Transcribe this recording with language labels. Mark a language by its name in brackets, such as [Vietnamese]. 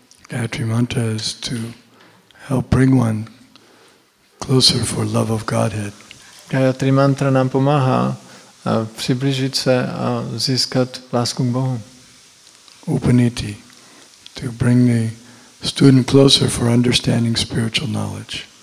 [English] Gayatri mantra is to help bring one closer for love of Godhead. [Czech] Gayatri mantra nám pomáhá a přiblížit se a získat lásku k Bohu. [English] Upaniti, to bring the student closer for understanding spiritual knowledge.